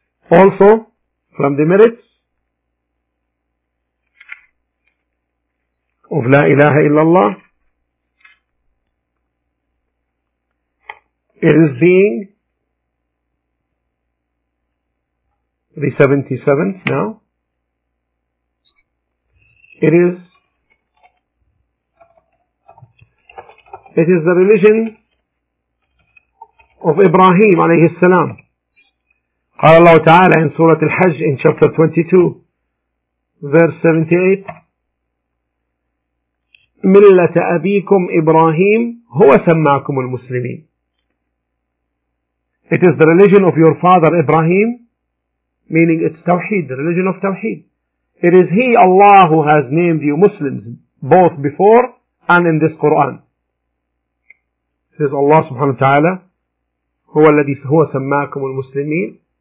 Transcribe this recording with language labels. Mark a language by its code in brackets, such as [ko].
[en] Also, from the merits of La ilaha illallah, it is being the 77th now. It is the religion of Ibrahim alayhi salam. [ar] قال الله تعالى in سورة الحج [en] in chapter 22 verse 78, [ar] ملة أبيكم إبراهيم هو سماكم المسلمين. [en] It is the religion of your father Ibrahim, meaning it's Tawheed, the religion of Tawheed. It is he, Allah, who has named you Muslims, both before and in this Quran. It is Allah subhanahu wa ta'ala [ar] هو الذي هو سماكم المسلمين.